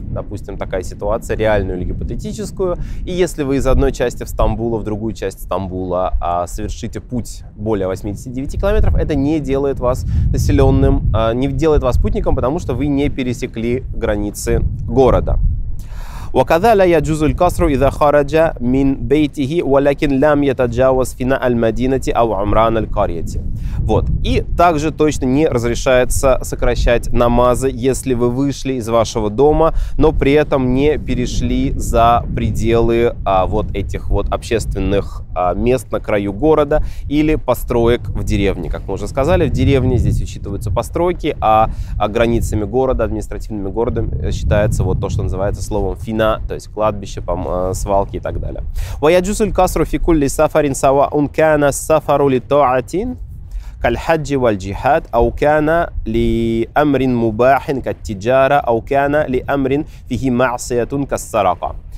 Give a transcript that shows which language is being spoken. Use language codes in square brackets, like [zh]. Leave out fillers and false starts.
[ru] Допустим, такая ситуация, реальную или гипотетическую. И если вы из одной части Стамбула в другую часть Стамбула совершите путь более 89 километров, это не делает вас населенным, не делает вас путником, потому что вы не пересекли границы города. [ar] وكذلك يجوز القصر إذا خرج من بيته ولكن لم يتجاوز فناء المدينة أو عمران القرية. [ru] Вот. И также точно не разрешается сокращать намазы, если вы вышли из вашего дома, но при этом не перешли за пределы вот этих вот общественных мест на краю города или построек в деревне. Как мы уже сказали, в деревне здесь учитываются постройки, а границами города, административными городами считается вот то, что называется словом «фина», то есть кладбище, свалки и так далее. [ar] «Ваяджузу л-касру фи кулли сафарин сава ункана сафару ли тоатин». كالحج والجهاد أو كان لأمر مباح كالتجارة أو كان لأمر فيه معصية كالسرقة.